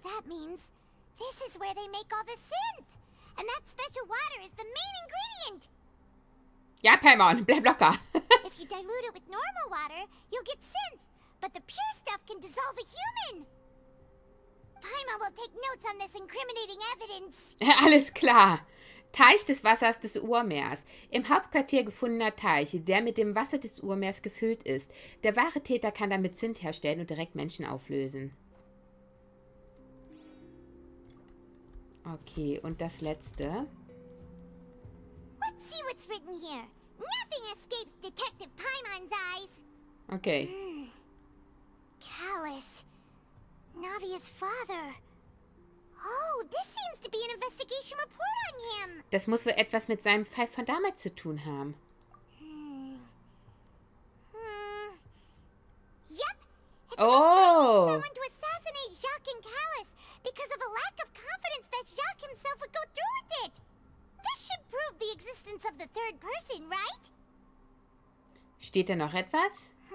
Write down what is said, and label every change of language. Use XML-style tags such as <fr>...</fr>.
<en>That means this is where they make all the synth. And that special water is the main ingredient.</en> <de>Ja, Paimon, bleib locker.</de> <en>If you dilute it with normal water, you'll get synth. But the pure stuff can dissolve a human. Paimon will take notes on this incriminating evidence.</en> <de>Alles klar. Teich des Wassers des Urmeers. Im Hauptquartier gefundener Teich, der mit dem Wasser des Urmeers gefüllt ist. Der wahre Täter kann damit Zint herstellen und direkt Menschen auflösen. Okay, und das letzte.</de> <en>Let's see what's written here. Nothing escapes Detective Paimon's eyes. Okay. Callus. Navia's father. Oh, this seems to be an investigation report on him.</en> <de>Das muss wohl etwas mit seinem Fall von damals zu tun haben.</de> <en>Yep. Someone to assassinate Jacques and Callus because of a lack of confidence that Jacques himself would go through with it. This should prove the existence of the third person, right?</en> <de>Steht da noch etwas?</de>